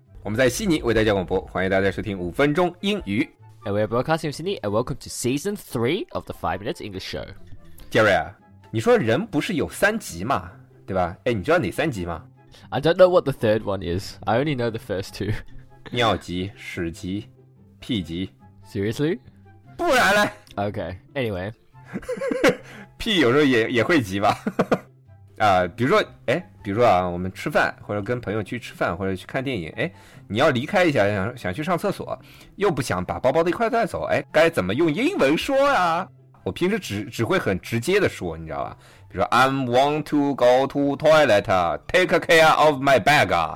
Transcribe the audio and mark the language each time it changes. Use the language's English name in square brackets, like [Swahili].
[Chinese] 我们在悉尼为大家广播，欢迎大家收听五分钟英语。 [English] And we are broadcasting from Sydney, and welcome to season 3 of the 5 Minutes English Show。 [Chinese] Jerry 啊，你说人不是有三级嘛，对吧？哎，你知道哪三级吗 [English] ？I don't know what the third one is. I only know the first two. [Chinese] 尿级、屎级、屁级。 [English] Seriously? [Chinese] 不然嘞 [English] OK,Anyway [Chinese] 屁有时候 也会急吧比如说我们吃饭或者跟朋友去吃饭或者去看电影，你要离开一下 想去上厕所又不想把包包的一块带走，该怎么用英文说啊？我平时 只会很直接的说，你知道吧，比如说 [English] I want to go to toilet, take care of my bag.